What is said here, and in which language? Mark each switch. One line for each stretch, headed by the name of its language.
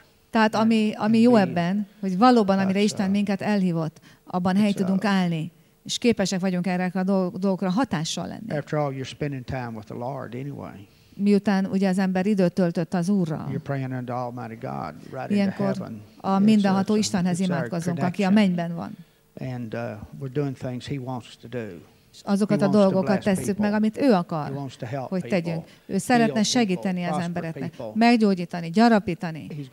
Hungarian: Tehát ami jó ebben, hogy valóban amire Isten minket elhívott, abban hely tudunk állni, és képesek vagyunk erre a dolgokra hatással lenni.
English: After all, you're spending time with the Lord anyway.
Hungarian: miután ugye az ember időt töltött az Úrral.
English: You're praying unto Almighty God, right into heaven.
Hungarian: A mindenható Istenhez imádkozunk, aki a mennyben van.
English: And we're doing things He wants to do.
Hungarian: Azokat a dolgokat tesszük meg, amit ő akar, hogy tegyünk. Ő szeretne segíteni az embereknek, meggyógyítani, gyarapítani.